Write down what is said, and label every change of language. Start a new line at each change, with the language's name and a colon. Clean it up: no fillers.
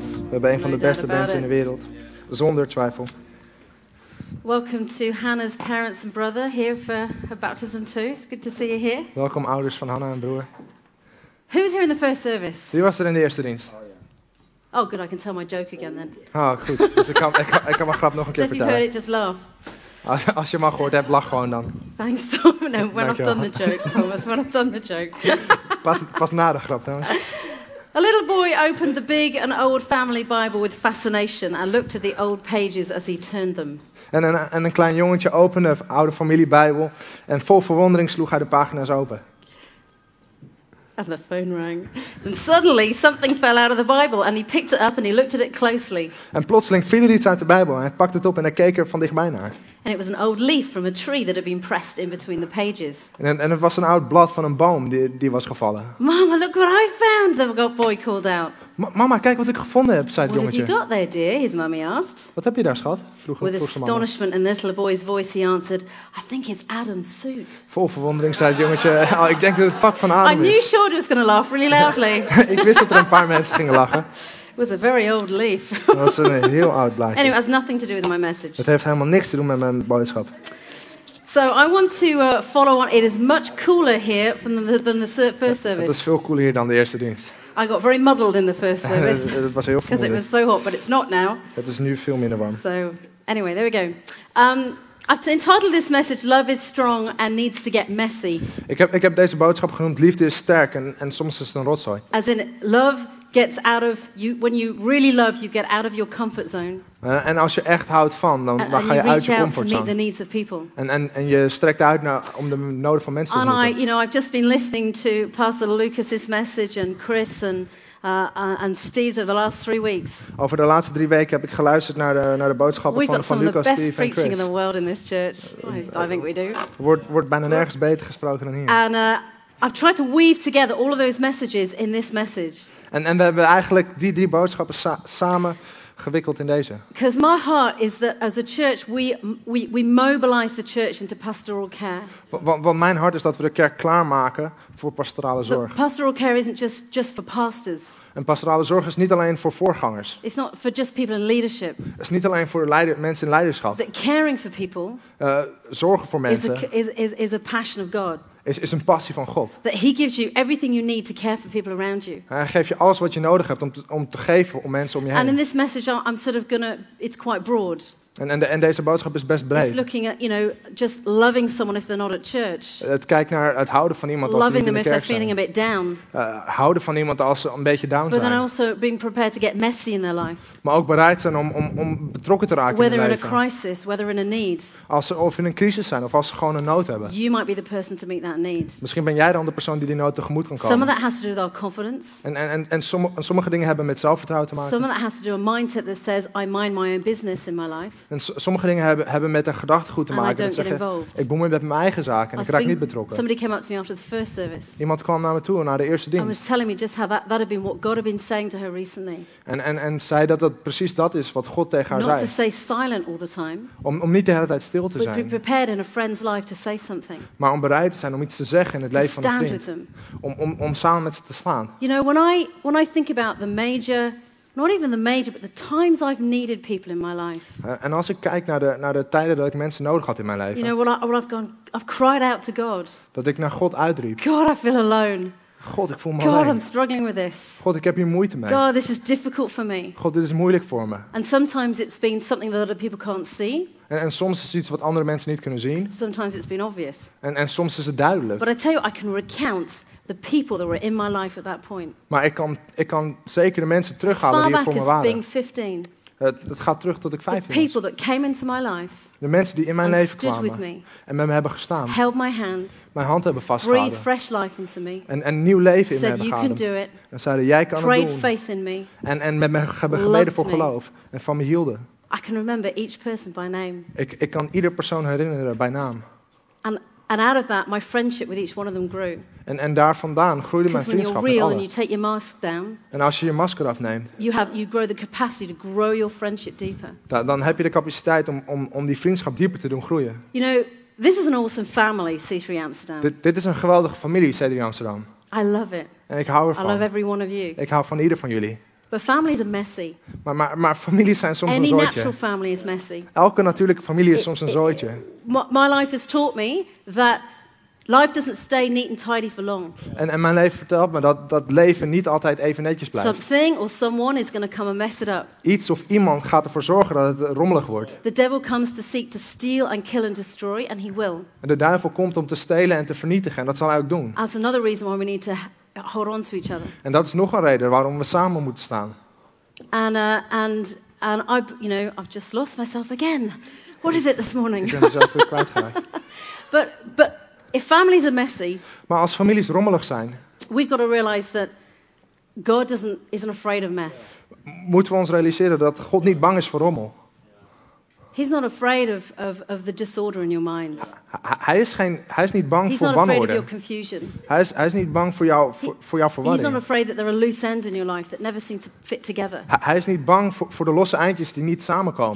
Dutch: We hebben een van de beste bands in de wereld. Zonder twijfel.
English: Welcome to Hannah's parents and brother here for her baptism too. It's good to see you here.
Dutch: Welkom ouders van Hannah en broer.
English: Who was here in the first service?
Dutch: Wie was er in de eerste dienst?
English: Oh, good. I can tell my joke again then.
Dutch: Oh, goed. Dus ik kan mijn grap nog een keer vertellen.
English: If you heard it, just laugh.
Dutch: Als je maar gehoord hebt, lach gewoon dan.
English: Thanks, Tom. No, when I've done the joke, Thomas. When I've done the joke.
Dutch: Pas na de grap, Thomas.
English: A little boy opened the big and old family Bible with fascination and looked at the old pages as he turned them.
Dutch: En een klein jongetje opende de oude familiebijbel en vol verwondering sloeg hij de pagina's open.
English: And the phone rang. And suddenly something fell out of the Bible and he picked it up and he looked at it closely.
Dutch: En plotseling viel er iets uit de Bijbel en hij pakte het op en hij keek er van dichtbij naar.
English: And it was an old leaf from a tree that had been pressed in between the pages.
Dutch: En het was een oud blad van een boom die was gevallen.
English: Mama, look what I found, the boy called out.
Dutch: Mama, kijk wat ik gevonden heb, zei het jongetje.
English: What have you got there, dear? His mummy asked.
Dutch: Wat heb je daar, schat? Vroeg
English: astonishment in the little boy's voice, he answered, I think it's Adam's suit.
Dutch: Vol verwondering, zei het jongetje. Oh, ik denk dat het pak van Adam is.
English: I knew Shorty was going to laugh really loudly.
Dutch: Ik wist dat er een paar mensen gingen lachen.
English: It was a very old leaf.
Dutch: Dat was een heel oud blaadje.
English: Anyway, it has nothing to do with my message.
Dutch: Het heeft helemaal niks te doen met mijn boodschap.
English: So I want to follow on. It is much cooler here than the first service.
Dutch: Het is veel cooler hier dan de eerste dienst.
English: I got very muddled in the first service.
Dutch: Het was heel vermoeiend.
English: Because it was so hot, but it's not now.
Dutch: Het is nu veel minder warm.
English: So anyway, there we go. I've entitled this message, Love is Strong and Needs to Get Messy.
Dutch: Ik heb deze boodschap genoemd, Liefde is Sterk en soms is het een rotzooi.
English: As in, love gets out of you when you really love, you get out of your comfort zone.
Dutch: En als je echt houdt van, dan ga je uit je comfortzone.
English: And meet the needs of people.
Dutch: En je strekt uit om de noden van mensen te ontmoeten.
English: And I, you know, I've just been listening to Pastor Lucas's message and Chris and Steve's over the last 3 weeks.
Dutch: Over de laatste 3 weken heb ik geluisterd naar de boodschappen van Lucas, Steve en Chris.
English: We've got some of the best preaching in the world in this church. I think we do.
Dutch: Wordt bijna nergens beter gesproken dan hier.
English: I've tried to weave together all of those messages in this message.
Dutch: En we hebben eigenlijk die 3 boodschappen samen gewikkeld in deze.
English: Because my heart is that as a church we mobilize the church into pastoral care.
Dutch: Want mijn hart is dat we de kerk klaarmaken voor pastorale zorg.
English: But pastoral care isn't just for pastors.
Dutch: En pastorale zorg is niet alleen voor voorgangers.
English: It's not for just people in leadership.
Dutch: Het is niet alleen voor mensen in leiderschap.
English: That caring for people
Dutch: zorgen voor mensen
English: is a passion of God.
Dutch: Is een passie van God.
English: That he gives you everything you need to care for people around you.
Dutch: Hij geeft je alles wat je nodig hebt om te geven om mensen om je heen.
English: And in this message I'm sort of gonna, it's quite broad.
Dutch: En deze boodschap is best breed.
English: It's looking at, you know, just loving someone if they're not at church.
Dutch: Het kijkt naar het houden van iemand als ze niet in de kerk zijn.
English: Loving them if they're feeling a bit down.
Dutch: Houden van iemand als ze een beetje down
English: but
Dutch: zijn.
English: But then also being prepared to get messy in their life.
Dutch: Maar ook bereid zijn om betrokken te raken
English: whether
Dutch: in hun leven.
English: Whether in a crisis, whether in a need.
Dutch: Als ze of in een crisis zijn of als ze gewoon een nood hebben.
English: You might be the person to meet that need.
Dutch: Misschien ben jij dan de persoon die nood tegemoet kan komen.
English: Some of that has to do with our confidence.
Dutch: En sommige dingen hebben met zelfvertrouwen te maken.
English: Some of that has to do with a mindset that says I mind my own business in my life.
Dutch: En sommige dingen hebben met een gedachtegoed te maken. Dat zeggen, ik bemoei me met mijn eigen zaken en ik raak niet betrokken.
English: Somebody came up to me after the first service.
Dutch: Iemand kwam naar me toe na de eerste dienst.
English: And was telling me just how that had been what God had been saying to her recently.
Dutch: En zei dat precies dat is wat God tegen haar
English: not Not to stay silent all the time.
Dutch: Om niet de hele tijd stil te zijn.
English: But prepared in a friend's life to say something.
Dutch: Maar om bereid te zijn om iets te zeggen in het leven van een vriend.
English: To stand with them.
Dutch: Om samen met ze te staan.
English: You know, when I think about the major. Not even the major, but the times I've needed people in my life.
Dutch: En als ik kijk naar de tijden dat ik mensen nodig had in mijn leven.
English: You know, I've cried out to God.
Dutch: Dat ik naar God uitriep.
English: God, I feel alone.
Dutch: God, ik voel me God, alleen.
English: I'm struggling with this.
Dutch: God, ik heb hier moeite mee.
English: God, this is difficult for me.
Dutch: God, dit is moeilijk voor me.
English: And sometimes it's been something that other people can't see.
Dutch: En soms is het iets wat andere mensen niet kunnen zien.
English: Sometimes it's been obvious.
Dutch: En soms is het duidelijk.
English: But I tell you, I can recount the people that were in my life at that point.
Dutch: Maar ik kan zeker de mensen terughalen die er voor me waren.
English: Being 15.
Dutch: Het gaat terug tot ik 15 was.
English: The people that came into my life.
Dutch: De mensen die in mijn leven
English: stood
Dutch: kwamen
English: with me,
Dutch: en met me hebben gestaan.
English: Held my hand.
Dutch: Mijn hand hebben vastgehouden.
English: Breathed fresh life into me.
Dutch: En nieuw leven in me hebben gehouden.
English: Said you can do it.
Dutch: En zeiden jij kan
English: prayed
Dutch: het doen.
English: Faith in me.
Dutch: En met me hebben gebeden voor geloof en van me hielden.
English: I can remember each person by name.
Dutch: Ik kan ieder persoon herinneren bij naam.
English: And out of that, my friendship with each one of them grew.
Dutch: En daar vandaan groeide mijn vriendschap met allen.
English: And you take your mask down,
Dutch: en als je masker afneemt,
English: you grow the capacity to grow your friendship deeper.
Dutch: Dan heb je de capaciteit om die vriendschap dieper te doen groeien.
English: You know, This is an awesome family, C3 Amsterdam.
Dutch: Dit is een geweldige familie, C3 Amsterdam.
English: I love it.
Dutch: En ik hou ervan.
English: I love every one of you.
Dutch: Ik hou van ieder van jullie.
English: But families are messy.
Dutch: Maar families zijn soms
English: Any
Dutch: een zooitje.
English: Any natural family is messy.
Dutch: Elke natuurlijke familie is soms een zooitje.
English: My life has taught me that life doesn't stay neat and tidy for long.
Dutch: En mijn leven vertelt me dat leven niet altijd even netjes blijft.
English: Something or someone is going to come and mess it up.
Dutch: Iets of iemand gaat ervoor zorgen dat het rommelig wordt.
English: The devil comes to seek to steal and kill and destroy, and he will.
Dutch: En de duivel komt om te stelen en te vernietigen, en dat zal hij ook doen.
English: That's another reason why we need to hold on to each other.
Dutch: En dat is nog een reden waarom we samen moeten staan.
English: And I, you know, I've just lost myself again. What is it this morning?
Dutch: Ik ben mezelf weer kwijtgeraakt.
English: But if families are messy,
Dutch: maar als families rommelig zijn,
English: we've got to realize that God isn't afraid of mess.
Dutch: Moeten we ons realiseren dat God niet bang is voor rommel?
English: He's not afraid of the disorder in your mind.
Dutch: Hij is niet bang voor wanorde.
English: He's not afraid of your confusion.
Dutch: Hij is niet bang voor jouw verwarring.
English: He's not afraid that there are loose ends in your life that never seem to fit together.
Dutch: Hij is niet bang voor de losse eindjes die niet samenkomen.